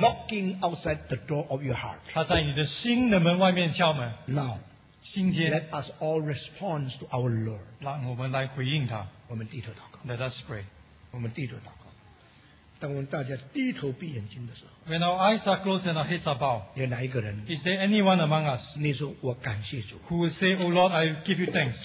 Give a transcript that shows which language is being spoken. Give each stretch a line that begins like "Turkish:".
English: He's knocking outside the door of your heart.
Chinese: 他在你的心的门外面敲门。
English: Now.
Chinese: 今天。
English: Let us all respond to our Lord.
Chinese: 让我们来回应他。我们低头祷告。
English: Let us pray.
Chinese: 我们低头祷告。当我们大家低头闭眼睛的时候。
English: When our eyes are closed and our heads are bowed,
Chinese: 有哪一个人
English: is there anyone among us?
Chinese: 你说我感谢主
English: who will say, "Oh Lord, I give you thanks."